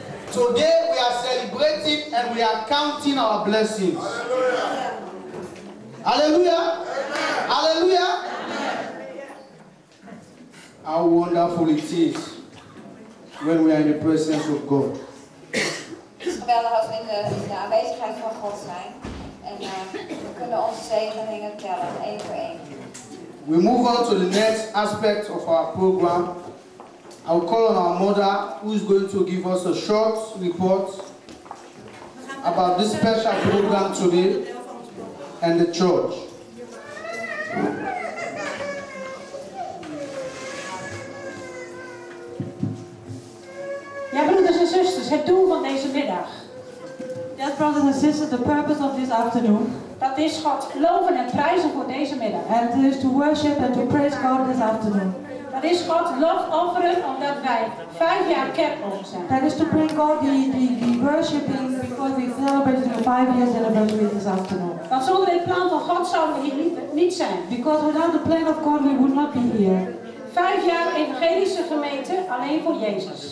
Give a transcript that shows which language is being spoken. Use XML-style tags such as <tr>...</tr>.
<en>Today we are celebrating and we are counting our blessings. Hallelujah. Hallelujah. Amen. Hallelujah. How wonderful it is when we are in the presence of God.</en> <nl>Geweldig als we in de aanwezigheid van God zijn. En we kunnen onze zegeningen tellen, één voor één.</nl> <en>We move on to the next aspect of our program. I'll call on our mother, who is going to give us a short report about this special program today and the church.</en> <nl>Ja, broeders en zusters, het doel van deze middag.</nl> <en>Yes, brothers and sisters, the purpose of this afternoon.</en> <nl>Dat is God loven en prijzen voor deze middag.</nl> <en>And it is to worship and to praise God this afternoon.</en> <nl>Dat is God lof offeren omdat wij 5 jaar kerkhoofd zijn.</nl> <en>That is to bring God the worshiping because we celebrated the 5 years anniversary this afternoon.</en> <nl>Want zonder het plan van God zouden we hier niet zijn.</nl> <en>Because without the plan of God we would not be here.</en> <nl>5 jaar evangelische gemeente alleen voor Jezus.</nl>